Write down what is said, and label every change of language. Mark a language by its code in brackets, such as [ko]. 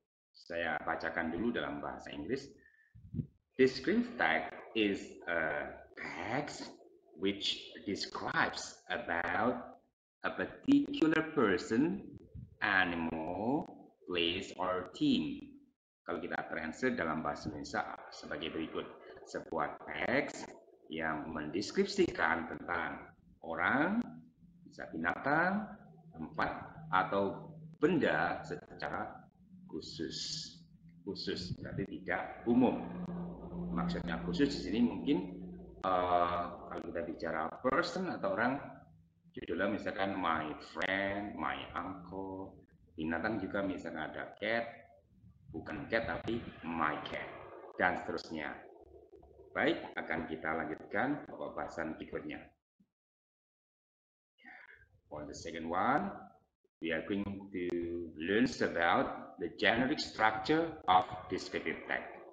[id] Saya bacakan dulu dalam bahasa Inggris. [en] Descriptive tag is a tag which describes about a particular person, animal, place, or team. [id] Kalau kita translate dalam bahasa Indonesia sebagai berikut. Sebuah teks yang mendeskripsikan tentang orang, bisa binatang, tempat, atau benda secara khusus. Khusus berarti tidak umum. Maksudnya khusus di sini mungkin kalau kita bicara person atau orang, judulnya misalkan [en] my friend, my uncle. [id] Binatang juga misalnya ada cat, bukan cat tapi [en] my cat, [id] dan seterusnya. Baik, akan kita lanjutkan pembahasan berikutnya. [en] For the second one, we are going to learn about the generic structure of descriptive tag.